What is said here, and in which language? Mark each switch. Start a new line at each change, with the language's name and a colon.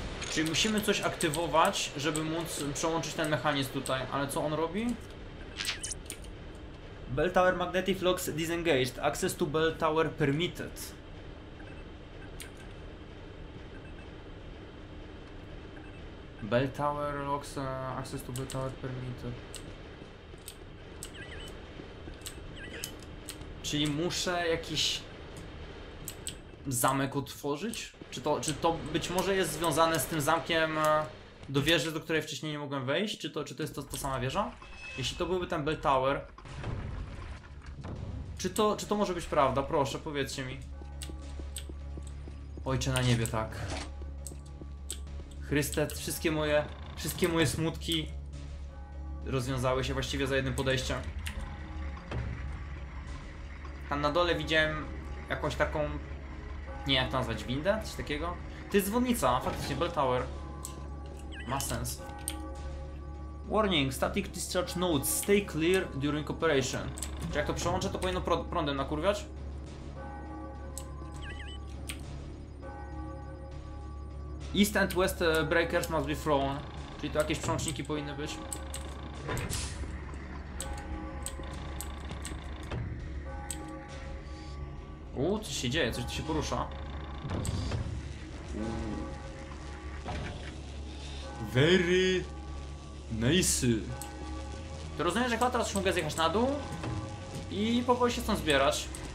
Polish: Czyli musimy coś aktywować, żeby móc przełączyć ten mechanizm tutaj. Ale co on robi?
English: Bell tower magnetic locks disengaged. Access to bell tower permitted. Bell tower locks, access to bell tower permitted.
Polish: Czyli muszę jakiś zamek otworzyć? Czy to być może jest związane z tym zamkiem do wieży, do której wcześniej nie mogłem wejść? Czy to jest ta sama wieża? Jeśli to byłby ten bell tower, czy to może być prawda? Proszę, powiedzcie mi. Ojcze na niebie, tak. Chryste, wszystkie moje smutki rozwiązały się właściwie za jednym podejściem. Tam na dole widziałem jakąś taką, nie jak to nazwać, windę? Coś takiego? To jest dzwonnica, faktycznie, bell tower. Ma sens.
English: Warning, static discharge nodes, stay clear during operation.
Polish: Czy jak to przełączę, to powinno prądem nakurwiać?
English: East and West breakers must be thrown.
Polish: Czyli to jakieś przełączniki powinny być. Coś się dzieje, coś tu się porusza.
English: Very nice.
Polish: To rozumiem, że chyba teraz już mogę zjechać na dół i powoli się stąd zbierać.